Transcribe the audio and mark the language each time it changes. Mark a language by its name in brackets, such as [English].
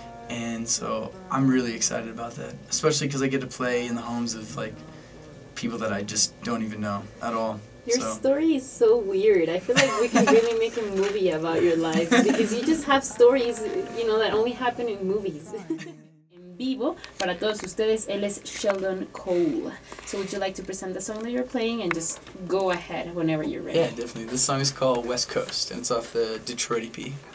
[English] And so I'm really excited about that, especially because I get to play in the homes of like people that I just don't even know at all. Your story is so weird. I feel like we can really make a movie about your life because you just have stories, you know, that only happen in movies. [Spanish] En vivo, para todos ustedes, él es Sheldoncole. [English] So would you like to present the song that you're playing and just go ahead whenever you're ready? Yeah, definitely. This song is called West Coast, and it's off the Detroit EP.